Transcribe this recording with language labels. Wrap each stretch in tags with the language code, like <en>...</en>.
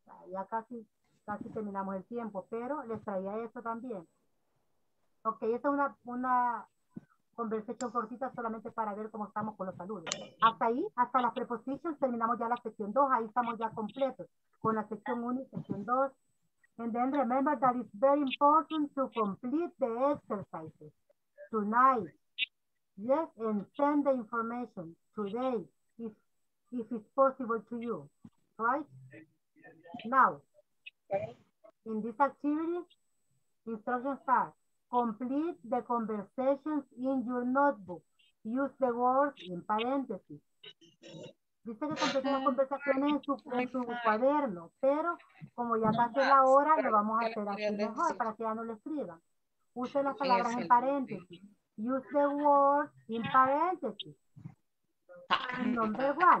<es>Ya casi, casi terminamos el tiempo, pero les traía eso también. Ok, esta es una conversación cortita solamente para ver cómo estamos con los saludos. Hasta ahí, hasta las prepositions, terminamos ya la sección 2, ahí estamos ya completos con la sección 1 y sección 2.</es> <en>And then remember that it's very important to complete the exercises tonight. Yes, and send the information today if it's possible to you, right? Now, in this activity, instructions are complete the conversations in your notebook. Use the words in parentheses.</en> <es>Dice que completó las conversaciones en su cuaderno, pero como ya está la hora, lo vamos a hacer así mejor para que ya no lo escriban. Use las palabras en paréntesis.</es> <en>Use the words in parentheses. Number one.</en>